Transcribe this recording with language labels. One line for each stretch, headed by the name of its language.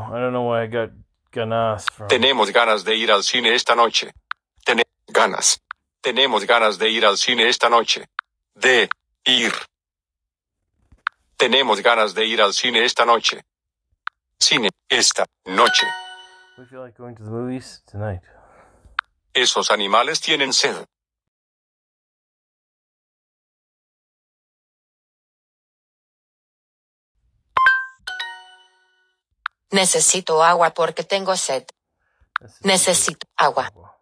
English: I don't know why I got ganas from.
Spanish: Tenemos ganas de ir al cine esta noche. Tenemos ganas de ir al cine esta noche. De ir. Tenemos ganas de ir al cine esta noche. Cine esta noche.
English: Would you like going to the movies tonight?
Spanish: Esos animales tienen sed. Necesito agua porque tengo sed. Necesito agua.